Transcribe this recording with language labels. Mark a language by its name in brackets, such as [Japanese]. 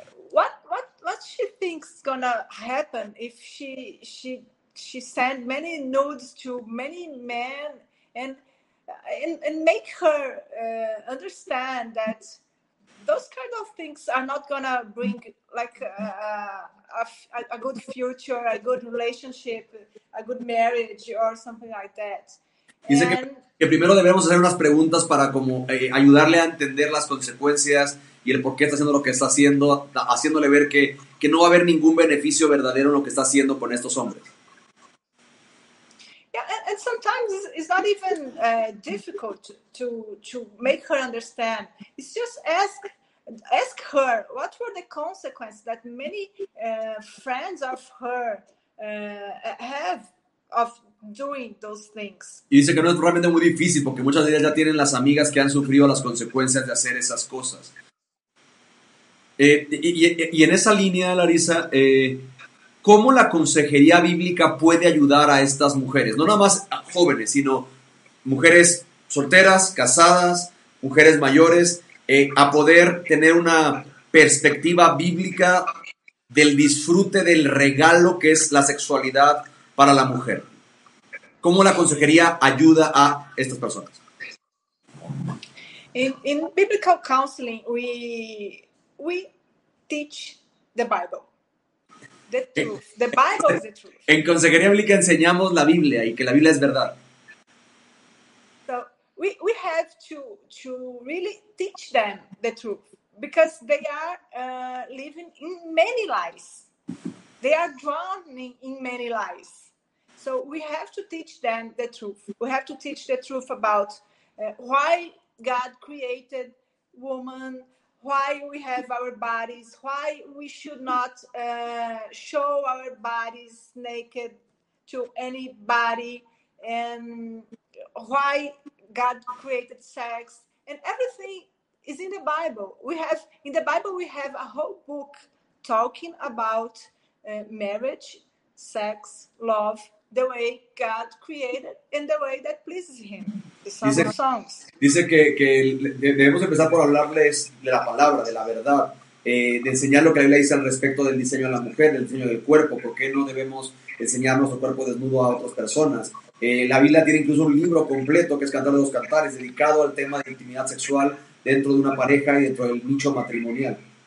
[English] What she thinks is gonna happen if she send many nudes to many men and make her understand that those kind of things are not gonna bring like a good future, a good relationship, a good marriage or something like that. [Spanish] Dice que primero debemos hacer unas preguntas para como ayudarle a entender las consecuencias y el por qué está haciendo lo que está haciendo, haciéndole ver que no va a haber ningún beneficio verdadero en lo que está haciendo con estos hombres. [English] Yeah, and sometimes it's not even difficult to make her understand. It's just ask her what were the consequences that many friends of her have of doing those things. [Spanish] Y dice que no es realmente muy difícil porque muchas de ellas ya tienen las amigas que han sufrido las consecuencias de hacer esas cosas. Y en esa línea, Larisa, ¿cómo la consejería bíblica puede ayudar a estas mujeres? No nada más jóvenes, sino mujeres solteras, casadas, mujeres mayores, a poder tener una perspectiva bíblica del disfrute del regalo que es la sexualidad para la mujer. ¿Cómo la consejería ayuda a estas personas? [English] In biblical counseling, we teach the Bible. The truth. The Bible is the truth. [Spanish] En consejería bíblica enseñamos la Biblia y que la Biblia es verdad. [English] So we have to really teach them the truth because they are living in many lies. They are drowning in many lies. So we have to teach them the truth. We have to teach the truth about why God created woman. Why we have our bodies, why we should not show our bodies naked to anybody, and why God created sex. And everything is in the Bible. In the Bible, we have a whole book talking about marriage, sex, love, the way God created and the way that pleases him. [Spanish] Dice que debemos empezar por hablarles de la palabra, de la verdad, de enseñar lo que la Biblia dice al respecto del diseño de la mujer, del diseño del cuerpo, por qué no debemos enseñar nuestro cuerpo desnudo a otras personas, La Biblia tiene incluso un libro completo que es Cantar de los Cantares, dedicado al tema de intimidad sexual dentro de una pareja y dentro del nicho matrimonial.